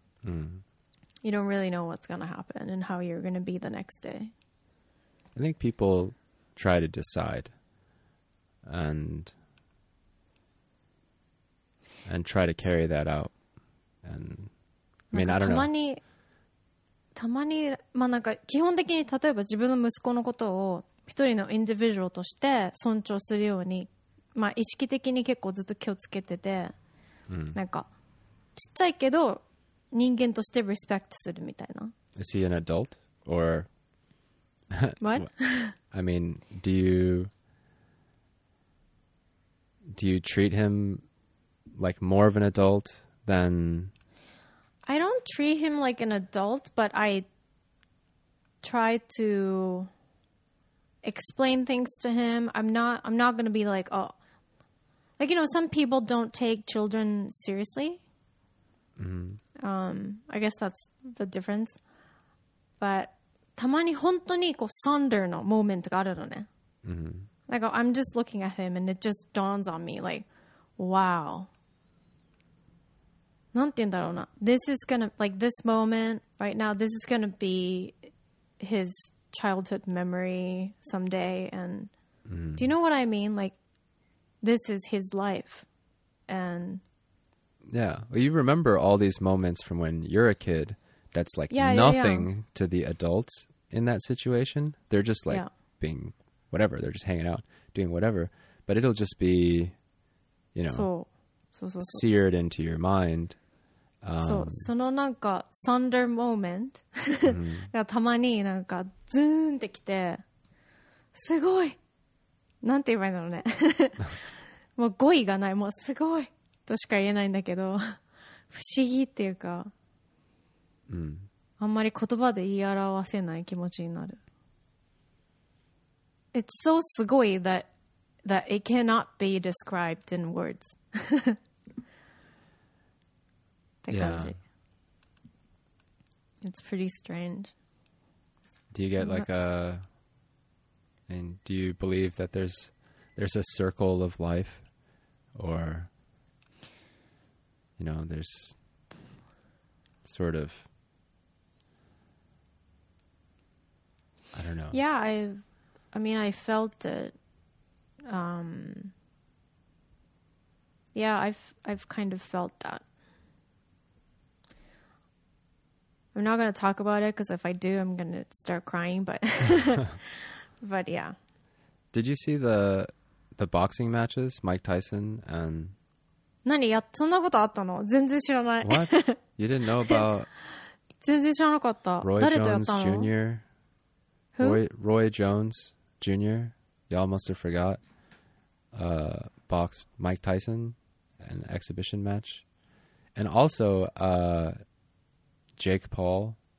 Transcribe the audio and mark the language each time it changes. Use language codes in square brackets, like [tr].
[en] You don't really know what's going to happen and how you're going to be the next day. I think people try to decide and try to carry that out. And I mean, I don't know. [ja] たまに、まあなんか基本的に例えば自分の息子のことを一人のインディビジュアルとして尊重するように、まあ意識的に結構ずっと気をつけてて、なんかちっちゃいけど人間としてリスペクトするみたいな。 [en] Is he an adult or what? I mean, do you treat him like more of an adult than... I don't treat him like an adult, but I try to explain things to him. I'm not going to be like, oh... Like, you know, some people don't take children seriously. I guess that's the difference. But... [ja] たまに本当にこうサンダーのモーメントがあるのね。 [en] I go, I'm just looking at him and it just dawns on me like, wow. [ja] なんて言うんだろうな。 [en] This is gonna, like this moment right now, this is gonna be his childhood memory someday. And、mm. do you know what I mean? Like, this is his life. And yeah, well, you remember all these moments from when you're a kid that's like yeah, nothing yeah, yeah. to the adults in that situation. They're just like、 yeah. being whatever. They're just hanging out, doing whatever. But it'll just be, you know, so. seared into your mind. [ja] そう、そのなんか、サンダーモーメントがたまになんか、ズーンってきて、すごいなんて言えばいいんだろうね。もう語彙がない、もうすごいとしか言えないんだけど、不思議っていうか、うん、あんまり言葉で言い表せない気持ちになる。 [en] It's so すごい that it cannot be described in words. Yeah. It's pretty strange. Do you get like a... And do you believe that there's a circle of life? Or, you know, there's sort of... I don't know. Yeah, I felt it. Yeah, I've kind of felt that. I'm not going to talk about it because if I do, I'm going to start crying, but, but yeah. Did you see the boxing matches, Mike Tyson and... [ja] 何や、そんなことあったの? 全然知らない。 [en] What? You didn't know about... [ja] 全然知らなかった。 [en] Roy [ja] 誰とやったの? [en] Jones Jr. Who? Roy Jones Jr. Y'all must have forgot. Boxed Mike Tyson, an exhibition match. And also... Jake Paul.